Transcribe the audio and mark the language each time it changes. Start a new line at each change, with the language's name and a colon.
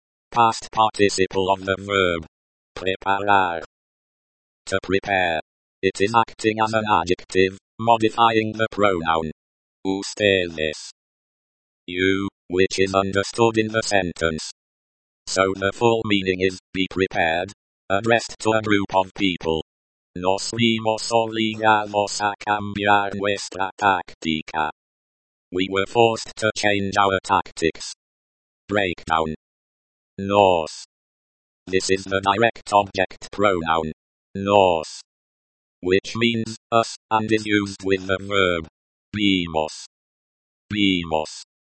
English: Past participle of the verb preparar. To prepare. It is acting as an adjective, modifying the pronoun ustedes. You, which is understood in the sentence. So the full meaning is, be prepared, addressed to a group of people.
Spanish: Nos vimos obligados a cambiar nuestra táctica.
English: We were forced to change our tactics. Breakdown. Nos. This is the direct object pronoun. Nos. Which means, us, and is used with the verb. Vimos. Vimos.